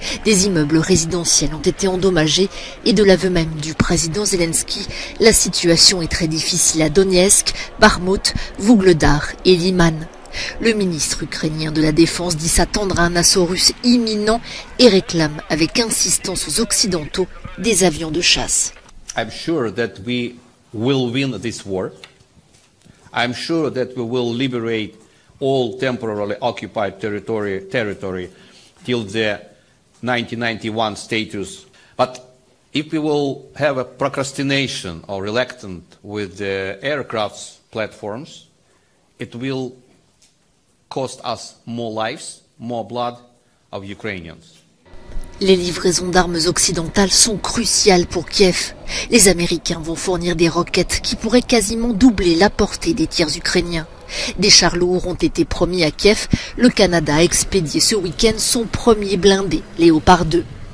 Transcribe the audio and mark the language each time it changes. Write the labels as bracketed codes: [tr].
[fr] Des immeubles résidentiels ont été endommagés et de l'aveu même du président Zelensky, la situation est très difficile à Donetsk, Bakhmout, Vouglodar et Liman. Le ministre ukrainien de la Défense dit s'attendre à un assaut russe imminent et réclame avec insistance aux Occidentaux des avions de chasse. [en] I'm sure that we will win this war. I'm sure that we will liberate all temporarily occupied territory till the 1991 status. But if we will have a procrastination or reluctant with the aircraft platforms, it will cost us more lives, more blood of Ukrainians. [fr] Les livraisons d'armes occidentales sont cruciales pour Kiev. Les Américains vont fournir des roquettes qui pourraient quasiment doubler la portée des tirs ukrainiens. Des chars lourds ont été promis à Kiev. Le Canada a expédié ce week-end son premier blindé, Léopard 2.